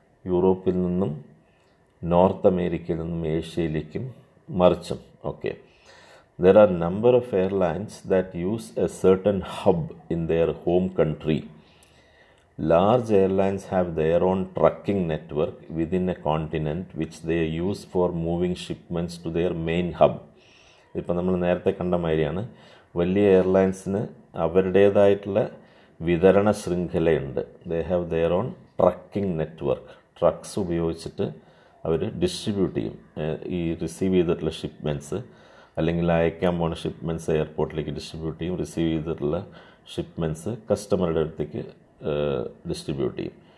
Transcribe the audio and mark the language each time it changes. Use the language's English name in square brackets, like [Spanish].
[Malayalam] യൂറോപ്പിൽ നിന്നും നോർത്ത് അമേരിക്കയിൽ നിന്നും ഏഷ്യയിലേക്കും മറിച്ചും. [English] Okay, There are number of airlines that use a certain hub in their home country. Large airlines have their own trucking network within a continent which they use for moving shipments to their main hub. [Malayalam] ഇപ്പോൾ നമ്മൾ നേരത്തെ കണ്ട മാതിരിയാണ്, വലിയ എയർലൈൻസിന് അവരുടേതായിട്ടുള്ള വിതരണ ശൃംഖലയുണ്ട്. [English] They have their own trucking network. [Malayalam] Trucks ഉപയോഗിച്ചിട്ട് അവർ distribute ചെയ്യും ഈ റിസീവ് ചെയ്തിട്ടുള്ള ഷിപ്മെൻറ്റ്സ്, അല്ലെങ്കിൽ അയക്കാൻ പോണ ഷിപ്മെൻറ്റ്സ് എയർപോർട്ടിലേക്ക് ഡിസ്ട്രിബ്യൂട്ട് ചെയ്യും, റിസീവ് ചെയ്തിട്ടുള്ള ഷിപ്മെൻറ്റ്സ് കസ്റ്റമറുടെ അടുത്തേക്ക് ഡിസ്ട്രിബ്യൂട്ട് ചെയ്യും.